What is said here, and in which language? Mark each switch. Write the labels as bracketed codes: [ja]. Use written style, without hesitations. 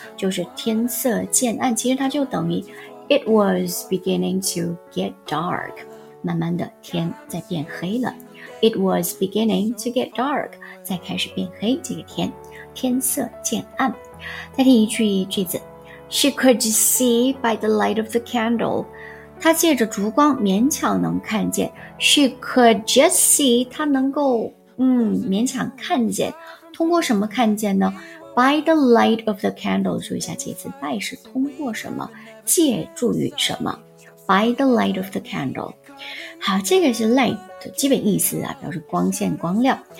[zh] 就是天色渐暗，其实它就等于 [en] It was beginning to get dark. [zh] 慢慢的天在变黑了。 [en] It was beginning to get dark. [zh] 再开始变黑，这个天，天色渐暗。再听一句句子。 [en] She could see by the light of the candle. [zh] 她借着烛光勉强能看见。 [en] She could just see, [zh] 她能够勉强看见。通过什么看见呢？ [en] by the light of the candle, [zh] 注意一下这一次 by 是通过什么，借助于什么。 [en] By the light of the candle. [zh] 好，这个是 light 的基本意思啊，表示光线光亮。